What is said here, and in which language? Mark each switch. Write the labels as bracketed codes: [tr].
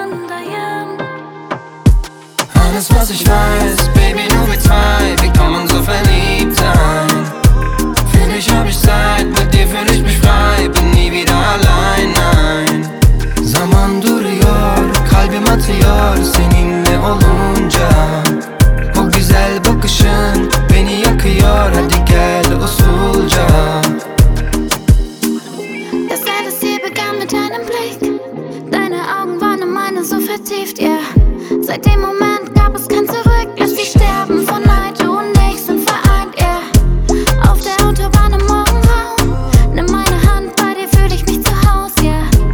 [de] Alles, was ich weiß, Baby, nur wir zwei, wie kann man so verliebt sein? Für dich hab ich Zeit, mit dir fühl ich mich frei, bin nie wieder allein, nein. [tr] Zaman duruyor, kalbim atıyor, seninle olunca. O güzel bakışın beni yakıyor, hadi gel usulca. [de] Das alles hier begann mit deinem Blick. Deine Augen waren in meine so vertieft, yeah. Seit dem Moment gab es kein Zurück. Lass dich sterben von Neid, du und ich sind vereint, yeah. Auf der Autobahn im Morgenraum, nimm meine Hand, bei dir fühl ich mich zu Haus, yeah.